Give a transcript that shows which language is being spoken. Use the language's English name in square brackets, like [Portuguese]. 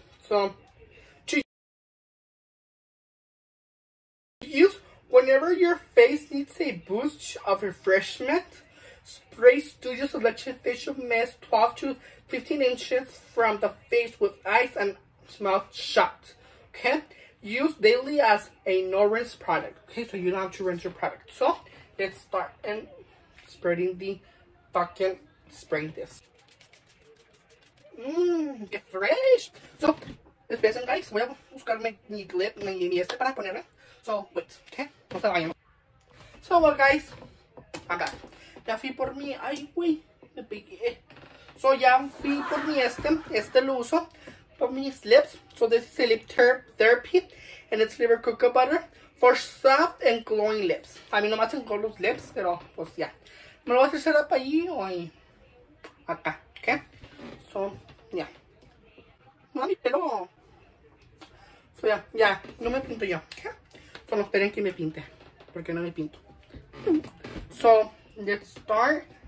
[English] So to use whenever your face needs a boost of refreshment, spray Studio Selection Facial Mist 12 to 15 inches from the face with eyes and mouth shut. Okay. Use daily as a no-rinse product. Okay, so you don't have to rinse your product. So, let's start and spreading the fucking spray this. Get fresh. So, esperen, guys. [Spanish] Voy a buscar mi clip, mi este para ponerme. So, wait. Okay, no se vayan. So, well, guys. Acá. Ya fui por mi... Ay, güey. Me pegué. So, ya fui por mi este. Este lo uso. [English] Of my lips. So this is a lip therapy and it's flavored cocoa butter for soft and glowing lips. [Spanish] A mí no me hacen glow los lips, pero pues ya. Yeah. Me lo voy a hacer set up ahí o ahí. Acá, ok. So, ya. Yeah. Mami, pero. So, ya, yeah, ya. Yeah. No me pinto yo, ok. So, no esperen que me pinte, porque no me pinto. [English] So, let's start.